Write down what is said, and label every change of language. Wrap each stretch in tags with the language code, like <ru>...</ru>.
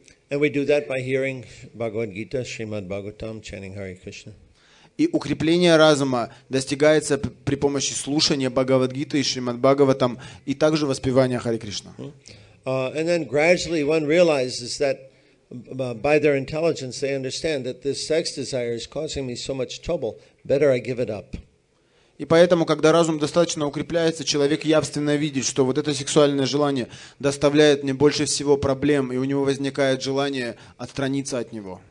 <en>And we do that by hearing Bhagavad Gita, Shrimad Bhagavatam, chanting Hare Krishna.</en> <ru>И укрепление разума достигается при помощи слушания Бхагавад-гиты и Шримад-Бхагаватам и также воспевания Харе Кришна.</ru> <en>And then gradually one realizes that by their intelligence they understand that this sex desire is causing me so much trouble, better I give it up.</en> <ru>И поэтому, когда разум достаточно укрепляется, человек явственно видит, что вот это сексуальное желание доставляет мне больше всего проблем, и у него возникает желание отстраниться от него.</ru>